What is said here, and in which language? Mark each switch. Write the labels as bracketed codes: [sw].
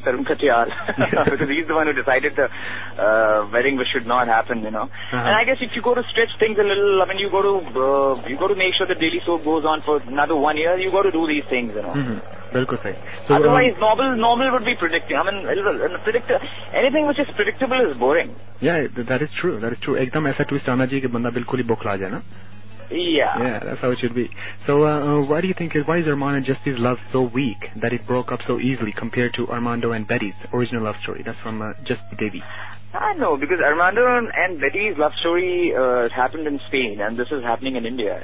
[en] Tarun Khatyal because he's the one who decided the wedding which should not happen, you know. Uh-huh. And I guess if you go to stretch things a little, I mean, you go to make sure the Daily Soap goes on for another 1 year, you got to do these things, you know. Mm-hmm. So, otherwise, normal would be predictive. I mean, anything which is predictable is boring. Yeah, that is true. That is true. [hi] एकदम ऐसा twist आना चाहिए कि बंदा बिल्कुल ही बोखला जाए ना। [en] Yeah, that's how it should be. So why do you think, why is Arman and Jassi's love so weak that it broke up so easily compared to Armando and Betty's original love story? That's from Jassi Devi. I know, because Armando and Betty's love story happened in Spain, and this is happening in India.